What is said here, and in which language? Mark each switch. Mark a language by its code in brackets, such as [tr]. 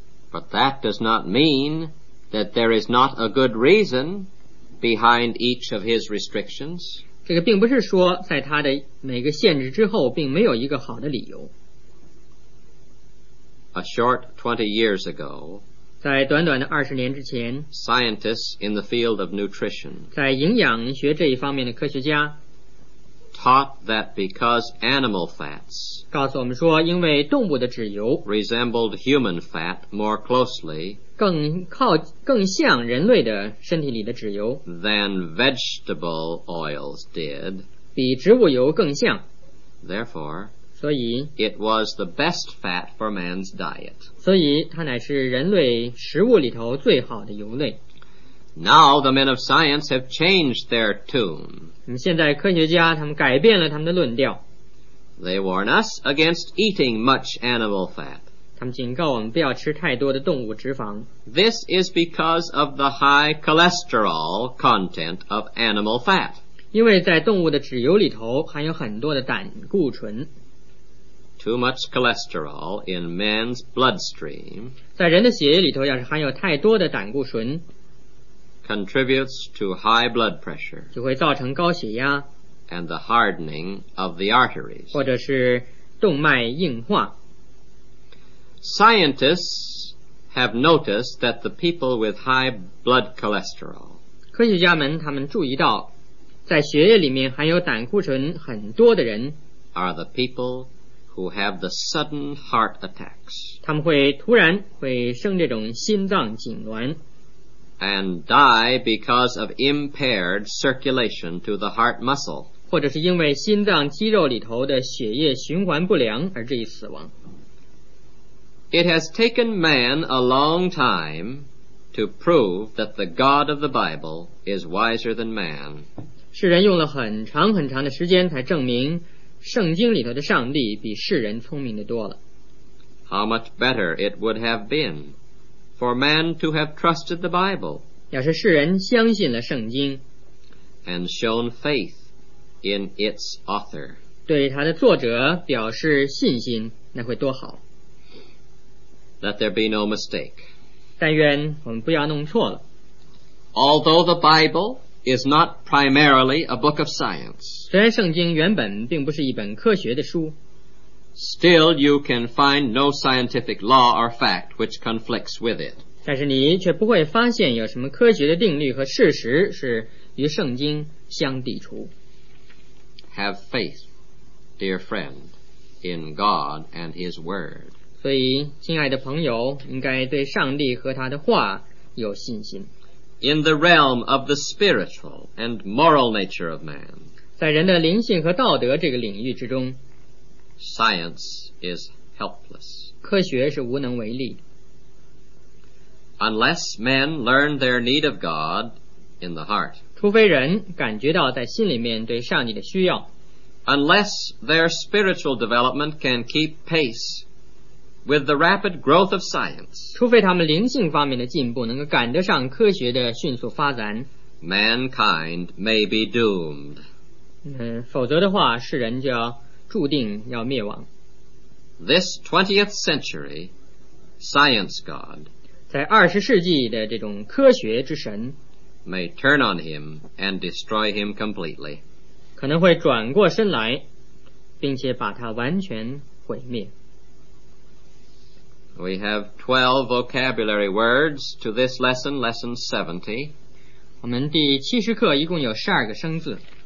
[en] But that does not mean that there is not a good reason behind each of his restrictions. [zh] 这个并不是说在他的每个限制之后并没有一个好的理由。 [en] A short 20 years ago, [zh] 在短短的20年之前, [en] scientists in the field of nutrition, [zh] 在营养学这一方面的科学家, [en] taught that because animal fats, [zh] 告诉我们说因为动物的脂油, [en] resembled human fat more closely, [zh] 更像人类的身体里的脂油, [en] than vegetable oils did, [zh] 比植物油更像, [en] therefore, [zh] 所以, [en] it was the best fat for man's diet. [zh] 所以它乃是人类食物里头最好的油类。 [en] Now the men of science have changed their tune. [zh] 现在科学家他们改变了他们的论调。 [en] They warn us against eating much animal fat. [zh] 他们警告我们不要吃太多的动物脂肪。 [en] This is because of the high cholesterol content of animal fat. [zh] 因为在动物的脂油里头含有很多的胆固醇。 [en] Too much cholesterol in man's bloodstream [zh] 在人的血液里头要是含有太多的胆固醇 [en] contributes to high blood pressure [zh] 就会造成高血压 [en] and the hardening of the arteries [zh] 或者是动脉硬化 [en] Scientists have noticed that the people with high blood cholesterol [zh] 科学家们他们注意到在血液里面含有胆固醇很多的人 [en] are the peoplewho have the sudden heart attacks [zh] 他们会突然会生这种心脏痉挛 [en] and die because of impaired circulation to the heart muscle [zh] 或者是因为心脏肌肉里头的血液循环不良而致以死亡 [en] It has taken man a long time to prove that the God of the Bible is wiser than man [zh] 世人用了很长很长的时间才证明圣经里头的上帝比世人聪明的多了。 [en] How much better it would have been for man to have trusted the Bible. [zh] 要是世人相信了圣经 [en] and shown faith in its author. [zh] 对他的作者表示信心那会多好。 [en] Let there be no mistake. [zh] 但愿我们不要弄错了。 [en] Although the Bible is not primarily a book of science. [zh] 虽然圣经原本并不是一本科学的书 [en] Still you can find no scientific law or fact which conflicts with it. [zh] 但是你却不会发现有什么科学的定律和事实是与圣经相抵触。 [en] Have faith, dear friend, in God and His Word. [zh] 所以亲爱的朋友应该对上帝和他的话有信心。 [en] In the realm of the spiritual and moral nature of man, [zh] 在人的灵性和道德这个领域之中 [en] science is helpless. [zh] 科学是无能为力。 [en] Unless men learn their need of God in the heart, [zh] 除非人感觉到在心里面对上帝的需要。 [en] Unless their spiritual development can keep pace. With the rapid growth of science, [zh] 除非他们灵性方面的进步能够赶得上科学的迅速发展 [en] mankind may be doomed. [zh] 否则的话世人就要注定要灭亡。 [en] This 20th century science god, [zh] 在二十世纪的这种科学之神 [en] may turn on him and destroy him completely. [zh] 可能会转过身来并且把他完全毁灭。 [en] We have 12 vocabulary words to this lesson, lesson 70. [zh] 我们第七十课一共有十二个生字。